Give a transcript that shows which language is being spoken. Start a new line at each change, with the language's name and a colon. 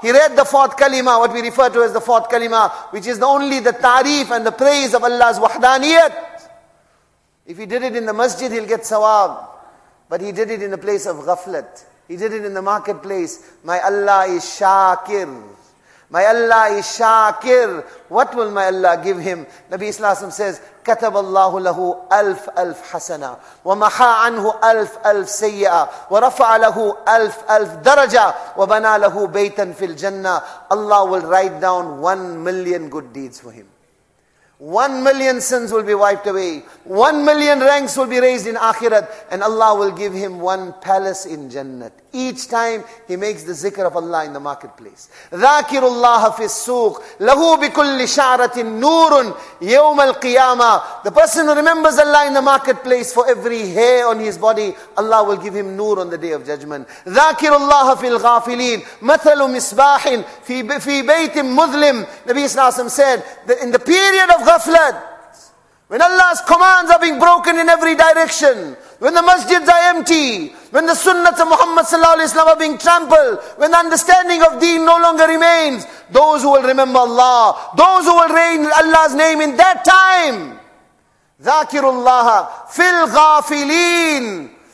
English: He read the fourth kalima, what we refer to as the fourth kalima, which is only the tarif and the praise of Allah's wahdaniyat. If he did it in the masjid, he'll get sawab. But he did it in a place of ghaflat. He did it in the marketplace. My Allah is shakir. My Allah is shakir. What will my Allah give him? Nabi Sallallahu Alaihi Wasallam says,
Arabic: كتب الله له ألف ألف حسنة ومحى عنه ألف ألف سيئة ورفع له ألف ألف درجة وبنى له بيتا في الجنة.
English: Allah will write down 1 million good deeds for him. 1 million sins will be wiped away. 1 million ranks will be raised in akhirat, and Allah will give him 1 palace in Jannah. Each time he makes the zikr of Allah in the marketplace.
Arabic: ذاكر الله في السوق له بكل شعرة نور يوم القيامة.
English: The person who remembers Allah in the marketplace, for every hair on his body, Allah will give him nur on the day of judgment.
Arabic: ذاكر الله في الغافلين مثل مصباح في بيت مظلم.
English: Nabi Sallallahu Alaihi Wasallam said that in the period of ghaflat, when Allah's commands are being broken in every direction, when the masjids are empty, when the sunnahs of Muhammad sallallahu alaihi wasallam are being trampled, when the understanding of deen no longer remains, those who will remember Allah, those who will reign Allah's name in that time,
Arabic: ذَاكِرُ اللَّهَ فِي الْغَافِلِينَ.